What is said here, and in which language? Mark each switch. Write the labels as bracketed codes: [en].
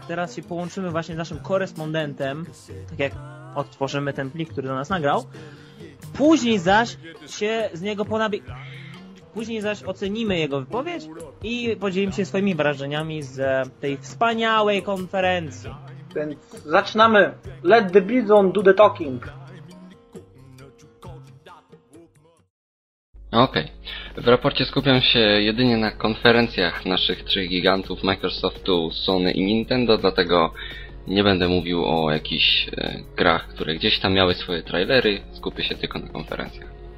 [pl] Teraz się połączymy właśnie z naszym korespondentem, tak jak odtworzymy ten plik, który do nas nagrał. Później zaś się z niego Później zaś ocenimy jego wypowiedź i podzielimy się swoimi wrażeniami z tej wspaniałej konferencji. Więc zaczynamy. [en] Let the Bizon do the talking. [pl] Okej. W raporcie skupiam się jedynie na konferencjach naszych trzech gigantów Microsoftu, Sony i Nintendo, dlatego nie będę mówił o jakichś grach, które gdzieś tam miały swoje trailery, skupię się tylko na konferencjach.